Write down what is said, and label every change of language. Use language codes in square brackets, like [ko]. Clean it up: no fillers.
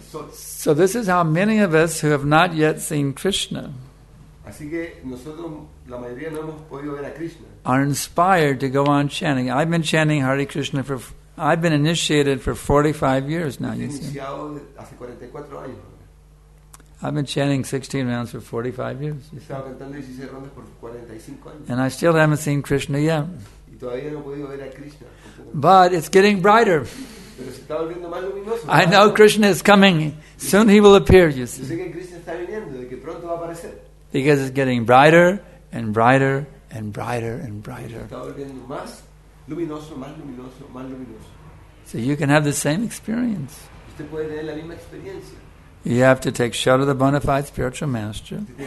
[en] So this is how many of us who have not yet seen Krishna [es] Así que nosotros, la mayoría, no hemos podido ver a Krishna. [en] Are inspired to go on chanting. I've been chanting Hare Krishna for, I've been initiated for 45 years now, you see. [es] Hace 44 años. [en] I've been chanting 16 rounds for 45 years. [es] Estaba cantando 16 rondas por 45 años. [en] And I still haven't seen Krishna yet. [es] Y todavía no he podido ver a Krishna. [en] But it's getting brighter. [es] Pero se está volviendo más luminoso. [en] I know Krishna is coming. Soon he will appear, you see. [es] Yo sé que Krishna está viniendo, de que pronto va a aparecer. [en] Because it's getting brighter and brighter and brighter and brighter. [es] Está volviendo más luminoso, más luminoso, más luminoso. [en] So you can have the same experience. [es] Usted puede tener la misma experiencia. [en] You have to take shelter of the bona fide spiritual master.